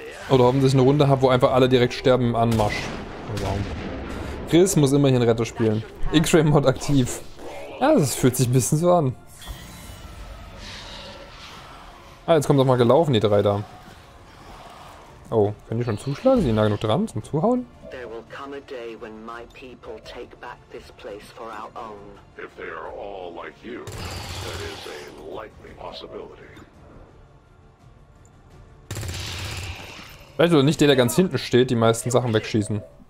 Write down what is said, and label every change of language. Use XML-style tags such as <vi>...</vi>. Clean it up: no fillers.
<de>Oder hoffen, dass ich eine Runde habe, wo einfach alle direkt sterben im Anmarsch. Warum? Chris muss immerhin Retter spielen. X-Ray Mod aktiv. Ja, das fühlt sich ein bisschen so an. Ah, jetzt kommt doch mal gelaufen, die drei da. Oh, können die schon zuschlagen? Sind die nah genug dran zum Zuhauen?</de> <en>There will come a day when my people take back this place for our own. If they are all like you, that is a likely possibility.</en> <de>Vielleicht oder nicht der, der ganz hinten steht, die meisten Sachen wegschießen.</de>